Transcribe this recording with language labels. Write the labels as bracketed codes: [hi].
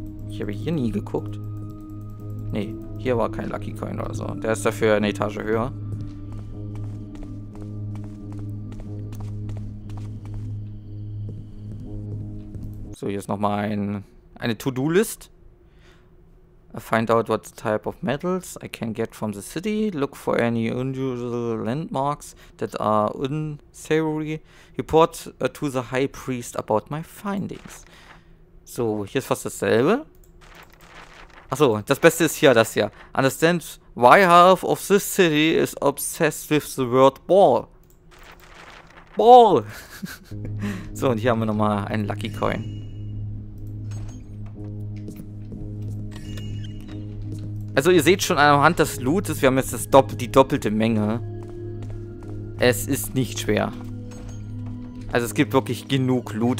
[de] Ich habe hier nie geguckt. Nee, hier war kein Lucky Coin oder so. Der ist dafür eine Etage höher. So, hier ist nochmal eine To-Do-List. [en] I find out what type of metals I can get from the city. Look for any unusual landmarks that are unsavory. Report to the high priest about my findings. [de] So, hier ist fast dasselbe. Achso, das Beste ist hier das hier. [en] Understand why half of this city is obsessed with the word ball. Ball! [de] So, und hier haben wir nochmal einen Lucky Coin. Also ihr seht schon anhand des Lootes, wir haben jetzt die doppelte Menge. Es ist nicht schwer. Also es gibt wirklich genug Loot.